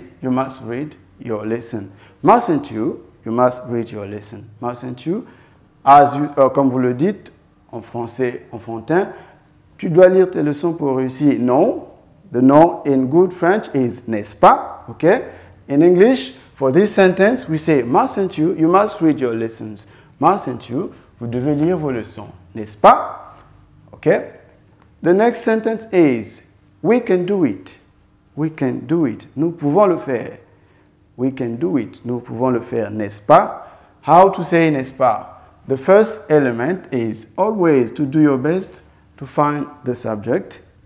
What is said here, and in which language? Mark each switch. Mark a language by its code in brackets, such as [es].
[en] You must read your lesson. Mustn't you? You must read your lesson, mustn't you? As you, [fr] comme vous le dites en français enfantin, tu dois lire tes leçons pour réussir. [en] No, the no in good French is [fr] n'est-ce pas? [en] Okay. In English, for this sentence, we say mustn't you? You must read your lessons, mustn't you? [fr] Vous devez lire vos leçons, n'est-ce pas? [en] Okay. The next sentence is we can do it. We can do it. [fr] Nous pouvons le faire. [en] We can do it. [fr] Nous pouvons le faire, n'est-ce pas? [en] How to say [fr] n'est-ce pas? [en] The first element is always to do your best to find the subject.